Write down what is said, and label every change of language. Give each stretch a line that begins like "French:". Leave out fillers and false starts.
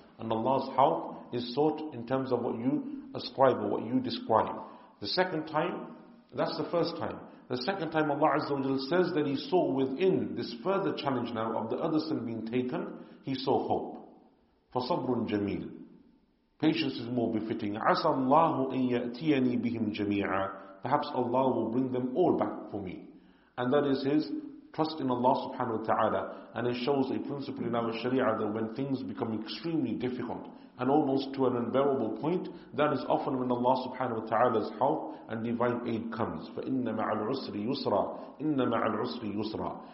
English: And Allah's help is sought in terms of what you ascribe or what you describe. The second time, that's the first time. The second time Allah Azza wa Jal says that he saw within this further challenge now of the other son being taken, he saw hope.
Arabic: فَصَبْرٌ جَمِيلٌ.
English: Patience is more befitting.
Arabic: عَسَى اللَّهُ أَن يَأْتِيَنِي بِهِمْ جَمِيعًا.
English: Perhaps Allah will bring them all back for me. And that is his trust in Allah subhanahu wa ta'ala. And it shows a principle in our sharia that when things become extremely difficult and almost to an unbearable point, that is often when Allah subhanahu wa ta'ala's help and divine aid comes.
Arabic: فَإِنَّ مَعَ الْعُسْرِ يُسْرًا. إِنَّ مَعَ الْعُسْرِ يُسْرًا.